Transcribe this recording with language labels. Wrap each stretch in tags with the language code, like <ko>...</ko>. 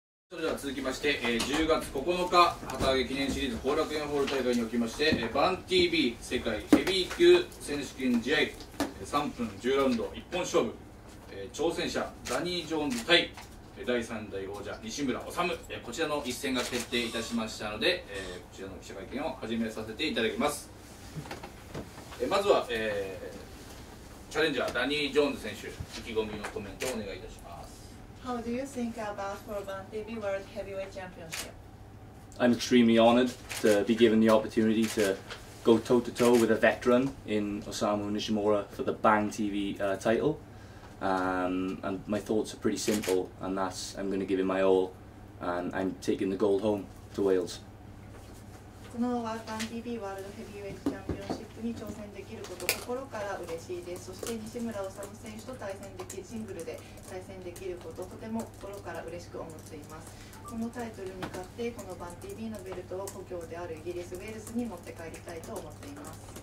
<ja>それでは続きまして、10月9日旗揚げ記念シリーズ後楽園ホール大会におきまして、バン TV 世界ヘビー級選手権試合3分10ラウンド1本勝負、挑戦者ダニー・ジョーンズ対第3代王者西村修、こちらの一戦が決定いたしましたので、こちらの記者会見を始めさせていただきます。まずは、チャレンジャーダニー・ジョーンズ選手、意気込みのコメントをお願いいたします。</ja> <en>How do you think about for Bun TV World Heavyweight Championship? I'm extremely honored to be given the opportunity to go toe-to-toe with a veteran in Osamu Nishimura for the Bun TV title. And my thoughts are pretty simple, and that's I'm going to give him my all, and I'm taking the gold home to Wales.</en> <ja>このBun TV World Heavyweight Championship に挑戦できること心から嬉しいです。そして西村修選手と対戦できシングルで対戦できることとても心から嬉しく思っています。このタイトルに勝ってこのバン TV のベルトを故郷であるイギリス・ウェールズに持って帰りたいと思っています。</ja>